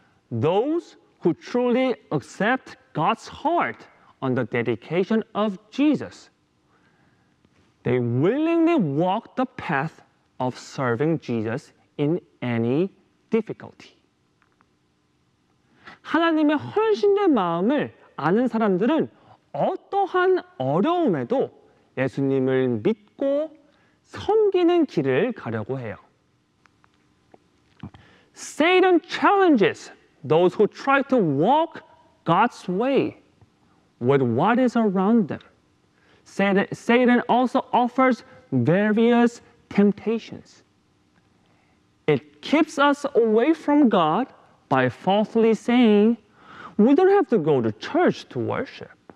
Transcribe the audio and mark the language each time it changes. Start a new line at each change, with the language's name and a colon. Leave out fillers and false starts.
English: Those who truly accept God's heart on the dedication of Jesus, they willingly walk the path of serving Jesus in any difficulty.
Korean: 하나님의 헌신된 마음을 아는 사람들은 어떠한 어려움에도 예수님을 믿고 섬기는 길을 가려고 해요.
English: Satan challenges those who try to walk God's way with what is around them. Satan also offers various temptations. It keeps us away from God by falsely saying, we don't have to go to church to worship.